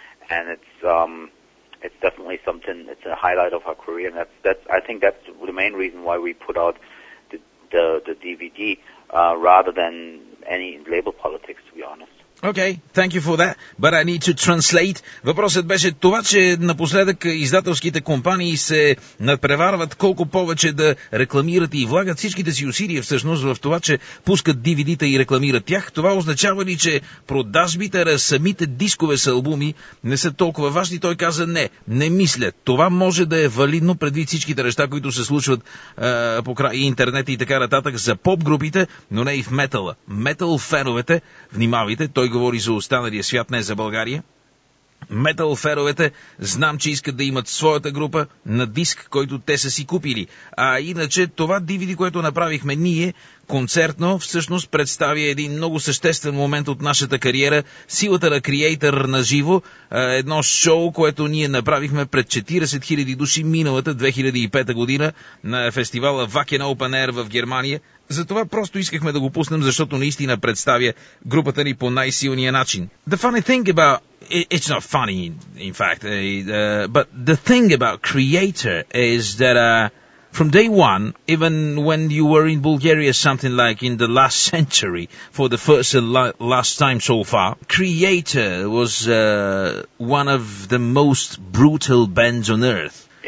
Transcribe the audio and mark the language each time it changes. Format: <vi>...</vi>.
<en>And it's definitely something, it's a highlight of our career, and I think that's the main reason why we put out the DVD rather than any label politics, to be honest. Okay, thank you for that, but I need to translate.</en> <bg>Въпросът беше това, че напоследък издателските компании се надпреварват колко повече да рекламират и влагат всичките си усилия всъщност в това, че пускат DVD-та и рекламират тях. Това означава ли, че продажбите на самите дискове с албуми не са толкова важни? Той каза не мисля. Това може да е валидно предвид всичките неща, които се случват по край интернет и така нататък за поп-групите, но не и в метала. Метал феновете, внимавайте, той говори за останалия свят, не за България. Метал феровете знам, че искат да имат своята група на диск, който те са си купили. А иначе това DVD, което направихме ние, концертно, всъщност представя един много съществен момент от нашата кариера, силата на Creator на живо, едно шоу, което ние направихме пред 40 000 души миналата 2005 година на фестивала Wacken Open Air в Германия. Затова просто искахме да го пуснем, защото наистина представя групата ни по най-силния начин.</bg> <en>The funny thing about... It's not funny, in fact. But the thing about Creator is that from day one, even when you were in Bulgaria, something like in the last century, for the first and last time so far, Creator was one of the most brutal bands on earth.</en>